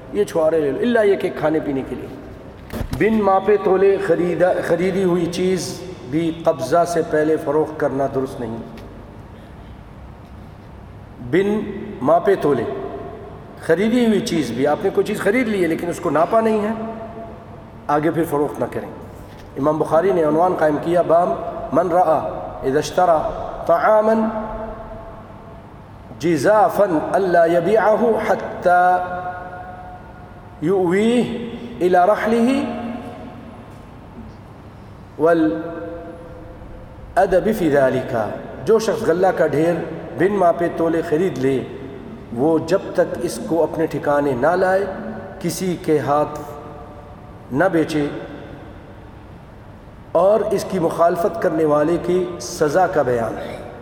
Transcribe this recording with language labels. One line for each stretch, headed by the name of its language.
Urdu: یہ چھوارے لے لو الا یہ کہ کھانے پینے کے لیے. بن ماپے تولے خریدی ہوئی چیز بھی قبضہ سے پہلے فروخت کرنا درست نہیں. بن ماپے تولے خریدی ہوئی چیز بھی, آپ نے کوئی چیز خرید لی ہے لیکن اس کو ناپا نہیں ہے, آگے پھر فروخت نہ کریں. امام بخاری نے عنوان قائم کیا,
Arabic: بام من رأى اذا اشترى طعاما جزافا الا يبيعه حتى يؤويه الى رحله والادب في ذلك.
Urdu: جو شخص غلہ کا ڈھیر بن ماپے تولے خرید لے وہ جب تک اس کو اپنے ٹھکانے نہ لائے, کسی کے ہاتھ نہ بیچے اور اس کی مخالفت کرنے والے کی سزا کا بیان ہے.